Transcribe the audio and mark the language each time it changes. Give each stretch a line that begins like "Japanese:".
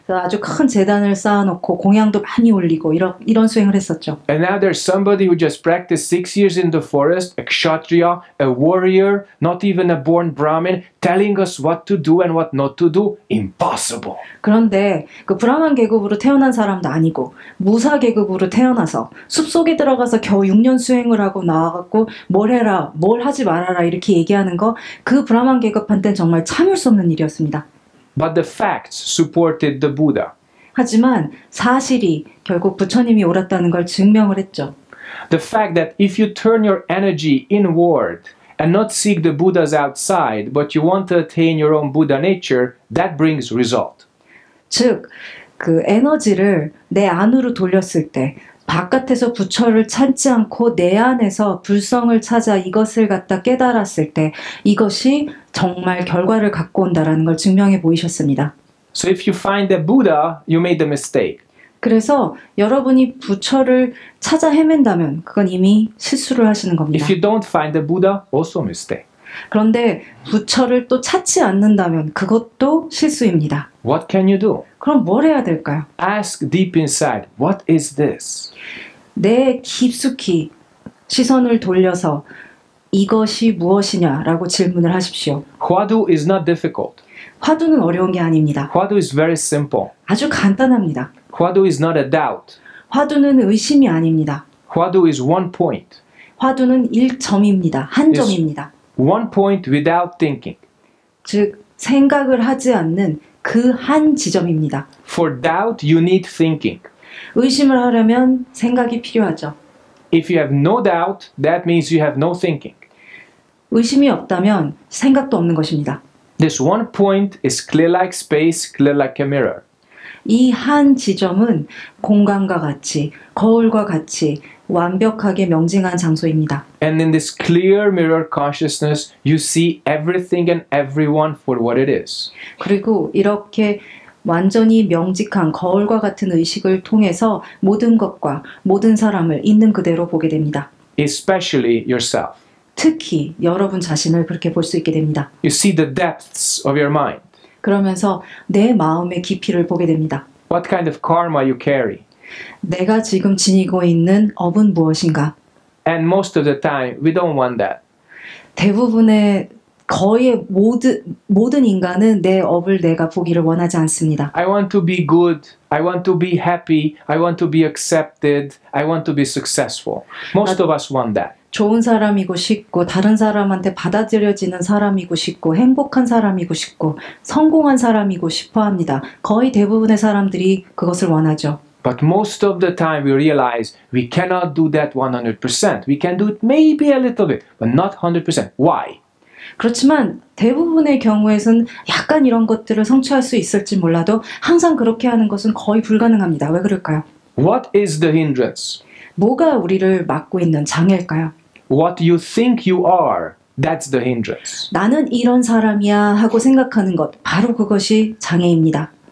Korean: 아주 큰 제단을 쌓아놓고 공양도 많이 올리고 이런 수행을 했었죠.
English: And now there's somebody who just practiced 6 years in the forest, a kshatriya, a warrior, not even a born Brahmin, telling us what to do and what not to do. Impossible.
Korean: 그런데 그 브라만 계급으로 태어난 사람도 아니고 무사 계급으로 태어나서 숲속에 들어가서 겨우 6년 수행을 하고 나와갖고 뭘 해라, 뭘 하지 말아라 이렇게 얘기하는 거 그 브라만 계급한테는 정말 참을 수 없는 일이었습니다.
English: But the facts supported the Buddha.
Korean: 하지만 사실이 결국 부처님이 옳았다는 걸 증명을 했죠.
English: The fact that if you turn your energy inward and not seek the Buddhas outside, but you want to attain your own Buddha nature, that brings result.
Korean: 즉, 그 에너지를 내 안으로 돌렸을 때 바깥에서 부처를 찾지 않고 내 안에서 불성을 찾아 이것을 갖다 깨달았을 때 이것이 정말 결과를 갖고 온다라는 걸 증명해 보이셨습니다.
English: So if you find a Buddha, you made a mistake.
Korean: 그래서 여러분이 부처를 찾아 헤맨다면 그건 이미 실수를 하시는 겁니다.
English: If you don't find a Buddha, also a mistake.
Korean: 그런데 부처를 또 찾지 않는다면 그것도 실수입니다.
English: What can you do?
Korean: 그럼 뭘 해야 될까요?
English: Ask deep inside, what is this?
Korean: 내 깊숙이 시선을 돌려서 이것이 무엇이냐라고 질문을 하십시오.
English: 화두 is not difficult.
Korean: 화두는 어려운 게 아닙니다.
English: 화두 is very simple.
Korean: 아주 간단합니다.
English: 화두 is not a doubt.
Korean: 화두는 의심이 아닙니다.
English: 화두 is one point.
Korean: 화두는 1점입니다. 한 점입니다.
English: One point without thinking.
Korean: 즉 생각을 하지 않는 그 한 지점입니다.
English: For doubt, you need thinking.
Korean: 의심을 하려면 생각이 필요하죠.
English: If you have no doubt, that means you have no thinking.
Korean: 의심이 없다면 생각도 없는 것입니다.
English: This one point is clear like space, clear like a mirror.
Korean: 이 한 지점은 공간과 같이, 거울과 같이 완벽하게 명징한 장소입니다.
English: And in this clear mirror consciousness, you see everything and everyone for what it is.
Korean: 그리고 이렇게 완전히 명직한 거울과 같은 의식을 통해서 모든 것과 모든 사람을 있는 그대로 보게 됩니다.
English: Especially yourself.
Korean: 특히 여러분 자신을 그렇게 볼 수 있게 됩니다.
English: You see the depths of your mind.
Korean: 그러면서 내 마음의 깊이를 보게 됩니다.
English: What kind of karma you carry?
Korean: 내가 지금 지니고 있는 업은 무엇인가?
English: And most of the time, we don't want that.
Korean: 대부분의 거의 모든 인간은 내 업을 내가 보기를 원하지 않습니다.
English: I want to be good. I want to be happy. I want to be accepted. I want to be successful. Most of us want that.
Korean: 좋은 사람이고 싶고 다른 사람한테 받아들여지는 사람이고 싶고 행복한 사람이고 싶고 성공한 사람이고 싶어합니다. 거의 대부분의 사람들이 그것을 원하죠.
English: But most of the time we realize we cannot do that 100%. We can do it maybe a little bit, but not 100%. Why?
Korean: 그렇지만 대부분의 경우에선 약간 이런 것들을 성취할 수 있을지 몰라도 항상 그렇게 하는 것은 거의 불가능합니다. 왜 그럴까요?
English: What is the hindrance?
Korean: 뭐가 우리를 막고 있는 장애일까요?
English: What you think you are, that's the hindrance.
Korean: 나는 이런 사람이야 하고 생각하는 것, 바로 그것이 장애입니다.